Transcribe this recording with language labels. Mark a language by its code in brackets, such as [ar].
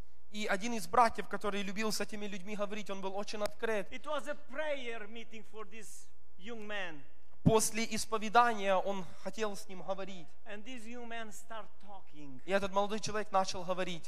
[ru] И один из братьев, который любил с этими людьми говорить, он был очень открыт. [en] It was a prayer meeting for this young man. [ru] После исповедания он хотел с ним говорить. [en] And this young man start talking. [ru] И этот молодой человек начал говорить.